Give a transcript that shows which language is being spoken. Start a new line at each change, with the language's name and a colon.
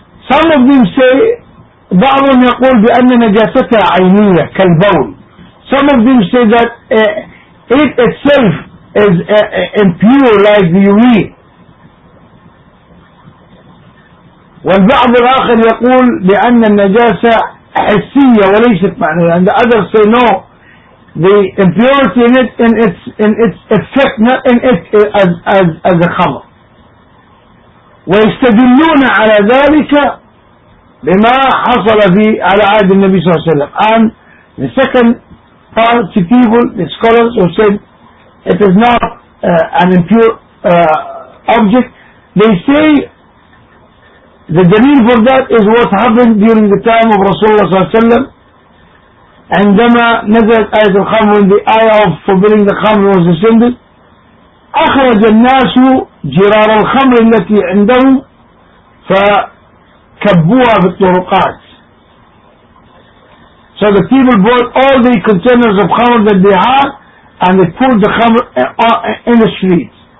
English: Some of them say,
Arabic: بعضهم يقول بأن نجاستها عينية كالبول.
English: Some of them say that it itself is impure like the urine.
Arabic: والبعض الآخر يقول بأن النجاسة حسية وليست معنوية.
English: And the others say no, the impurity in it in its effect, not in it as a خمر.
Arabic: ويستدلون على ذلك بما حصل في على عهد النبي صلى الله عليه وسلم.
English: And the second part to people, the scholars who said it is not an impure object, they say the dalil for that is what happened during the time of Rasulullah صلى الله عليه وسلم.
Arabic: عندما نزلت آية الخمر,
English: when the ayah of forbidding the خمر was descended,
Arabic: أخرج الناس جرار الخمر التي عندهم ف كبوها بالطرقات.
English: So the people brought all the containers of خمر that they had and they pulled the خمر in the street.